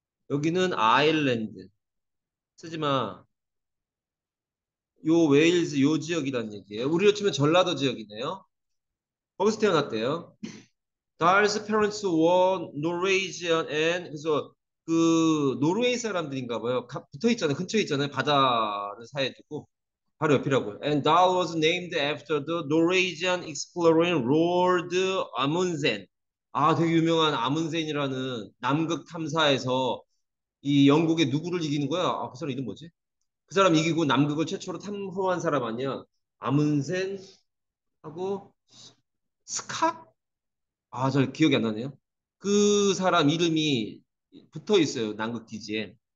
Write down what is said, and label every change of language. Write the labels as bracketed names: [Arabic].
[Korean] 여기는 아일랜드 쓰지만 요 웨일즈 요 지역이란 얘기예요. 우리로 치면 전라도 지역이네요. 거기서 태어났대요. [English] Dahl's parents were Norwegian and [Korean] 그래서 그 노르웨이 사람들인가 봐요. 붙어 있잖아요. 근처에 있잖아요. 바다를 사이에 두고 바로 옆이라고요. [English] And Dahl was named after the Norwegian explorer Roald Amundsen. [Korean] 아, 되게 유명한 아문센이라는 남극 탐사에서 이 영국의 누구를 이기는 거야? 아, 그 사람 이름 뭐지? 그 사람 이기고 남극을 최초로 탐험한 사람 아니야? 아문센 하고 스카? 아, 잘 기억이 안 나네요. 그 사람 이름이 붙어 있어요. 남극 기지에.